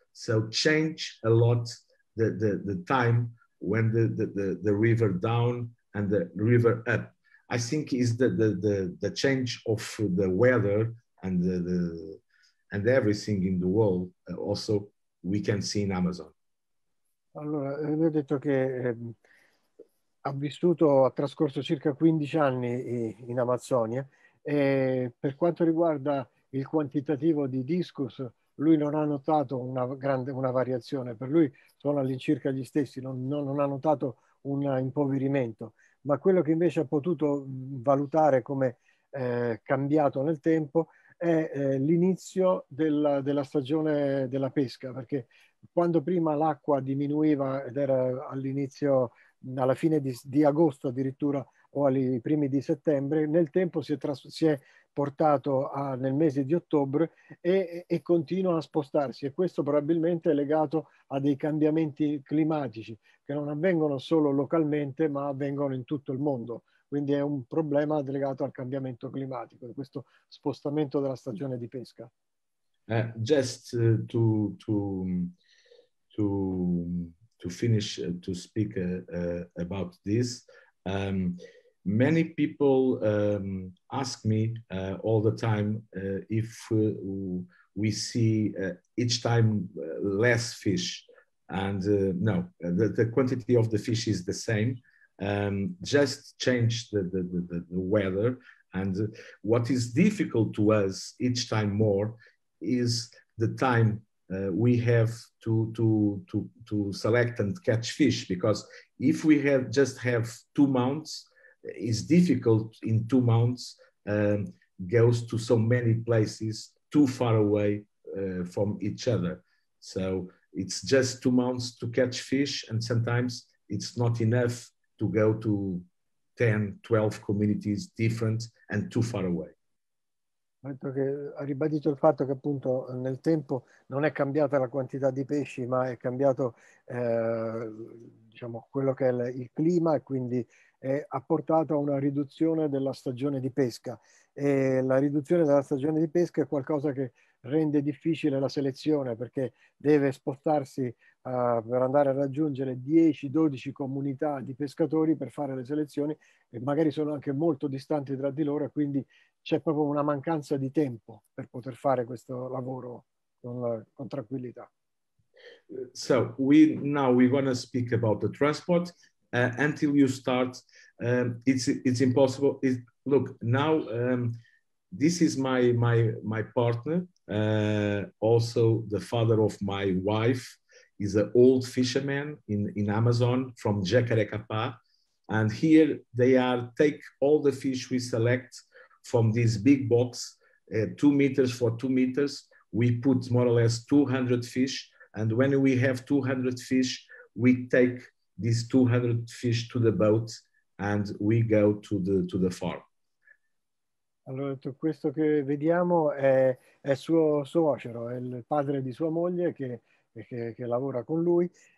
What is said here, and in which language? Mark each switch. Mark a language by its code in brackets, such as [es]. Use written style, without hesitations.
[en] So change a lot the time when the river down and the river up. I think is the change of the weather and and everything in the world also we can see in Amazon. [it] Allora, lui ha detto che ha trascorso circa 15 anni in Amazzonia e per quanto riguarda il quantitativo di discus, lui non ha notato una variazione, per lui sono all'incirca gli stessi, non ha notato un impoverimento, ma quello che invece ha potuto valutare come cambiato nel tempo è l'inizio della stagione della pesca, perché quando prima l'acqua diminuiva ed era all'inizio, alla fine di agosto addirittura o ai primi di settembre, nel tempo si è portato nel mese di ottobre e continua a spostarsi e questo probabilmente è legato a dei cambiamenti climatici che non avvengono solo localmente ma avvengono in tutto il mondo. Quindi è un problema legato al cambiamento climatico, questo spostamento della stagione di pesca. [en] Just to finish to speak about this, many people ask me all the time if we see each time less fish, and no, the quantity of the fish is the same. Just change the weather, and what is difficult to us each time more is the time we have to select and catch fish, because if we have 2 months, it's difficult in 2 months goes to so many places too far away from each other. So it's just 2 months to catch fish, and sometimes it's not enough to go to 10, 12 communities different and too far away. [it] Che ha ribadito il fatto che appunto nel tempo non è cambiata la quantità di pesci, ma è cambiato diciamo quello che è il clima e quindi ha portato a una riduzione della stagione di pesca. E la riduzione della stagione di pesca è qualcosa che rende difficile la selezione perché deve spostarsi per andare a raggiungere 10-12 comunità di pescatori per fare le selezioni e magari sono anche molto distanti tra di loro e quindi c'è proprio una mancanza di tempo per poter fare questo lavoro con tranquillità. [en] So we now we're going to speak about the transport. Until you start, it's impossible. It, look now, this is my partner, also the father of my wife. Is an old fisherman in Amazon from Jacarecapá, and here they are take all the fish we select from this big box, 2 meters for 2 meters. We put more or less 200 fish. And when we have 200 fish, we take these 200 fish to the boat and we go to the farm. [it] Allora, questo che vediamo è suo suocero, è il padre di sua moglie che lavora con lui.